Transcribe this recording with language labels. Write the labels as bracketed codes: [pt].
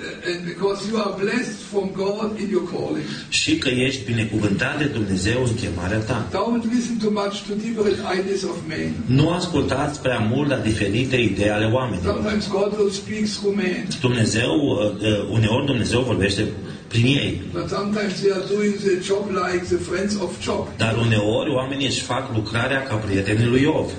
[en] And because you are blessed from God in your calling. [ro] Și că ești binecuvântat de Dumnezeu în chemarea ta. [en] Don't listen too much to different ideas of men. [ro] Nu ascultați prea mult la diferite idei ale oamenilor. [en] Sometimes God will speak through men. [ro] Dumnezeu, uneori Dumnezeu vorbește prin ei. [en] But sometimes they are doing the job like the friends of Job. [ro] Dar uneori oamenii își fac lucrarea ca prietenii lui Iov.